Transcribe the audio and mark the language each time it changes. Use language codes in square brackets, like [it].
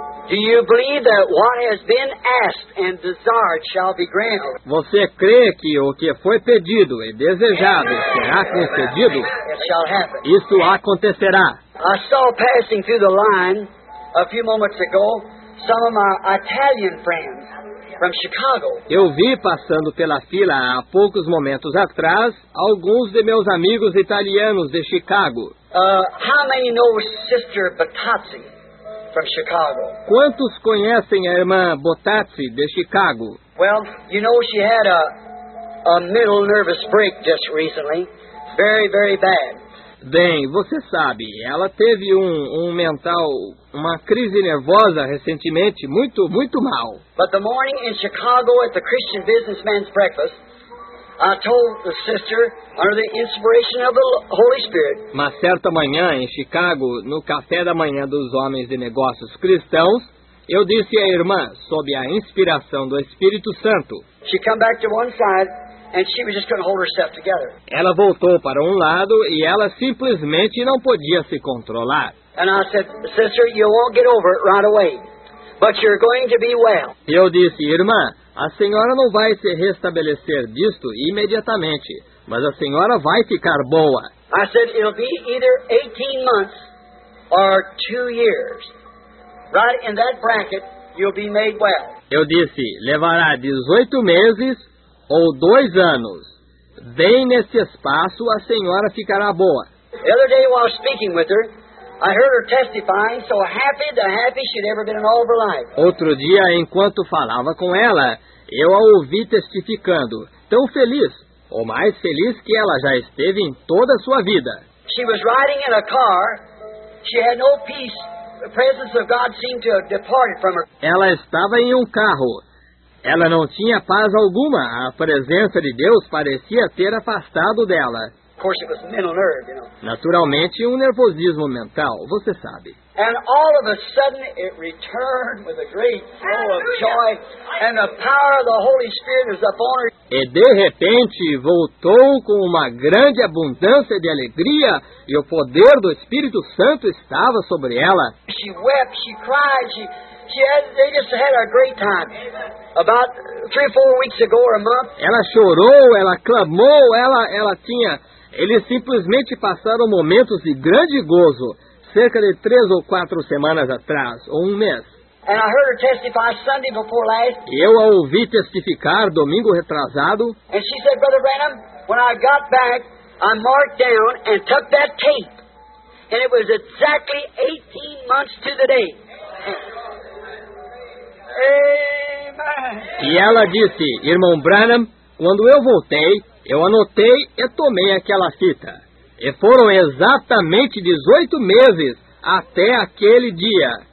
[en] Do you believe that what has been asked and desired shall be granted? [pt] Você crê que o que foi pedido e desejado será concedido? Isso acontecerá. [en] I saw passing through the line a few moments ago some of my Italian friends from Chicago. [pt] Eu vi passando pela fila há poucos momentos atrás alguns de meus amigos italianos de Chicago. [en] How many know Sister Battazzi from Chicago? [pt] Quantos conhecem a irmã Battazzi de Chicago? [en] Well, you know she had a middle nervous break just recently, very very bad. [pt] Bem, você sabe, ela teve um mental, uma crise nervosa recentemente, muito muito mal. [en] But the morning in Chicago at the Christian Businessman's breakfast, I told the sister, under the inspiration of the Holy Spirit. [pt] Mas certa manhã em Chicago, no café da manhã dos homens de negócios cristãos, eu disse à irmã, sob a inspiração do Espírito Santo. [en] She came back to one side and she was just couldn't hold herself together. [pt] Ela voltou para um lado e ela simplesmente não podia se controlar. [en] And I said, sister, you won't get over it right away, but you're going to be well. [pt] Eu disse, irmã, a senhora não vai se restabelecer disto imediatamente, Mas a senhora vai ficar boa. [en] I said it'll be either 18 months or 2 years. Right in that bracket, you'll be made well. [pt] Eu disse, levará 18 meses ou 2 anos. Bem nesse espaço, a senhora ficará boa. [en] The other day while speaking with her, I heard her testifying, so happy the happiest she'd ever been in all of her life. [pt] Outro dia, enquanto falava com ela, eu a ouvi testificando, tão feliz, o mais feliz que ela já esteve em toda a sua vida. [en] She was riding in a car. She had no peace. The presence of God seemed to have departed from her. [pt] Ela estava em um carro. Ela não tinha paz alguma. A presença de Deus parecia ter afastado dela. [en] Of course, it was mental nerve, you know. [pt] Naturalmente, um nervosismo mental, você sabe. [en] And all of a sudden, it returned with a great flow of joy, and the power of the Holy Spirit is upon her. [pt] E de repente, voltou com uma grande abundância de alegria, e o poder do Espírito Santo estava sobre ela. [en] She wept, she cried, they just had a great time. About 3 or 4 weeks ago, or a month. [pt] Ela chorou, ela clamou, ela tinha... Eles simplesmente passaram momentos de grande gozo, cerca de 3 ou 4 semanas atrás, ou um mês. [en] And I heard her testify Sunday before last. [pt] Eu a ouvi testificar domingo retrasado. [en] And she said, Brother Branham, when I got back, I marked down and took that tape. And it was exactly 18 months to the day. Amen. [pt] E ela disse, Irmão Branham, quando eu voltei, eu anotei e tomei aquela fita. E foram exatamente 18 meses até aquele dia.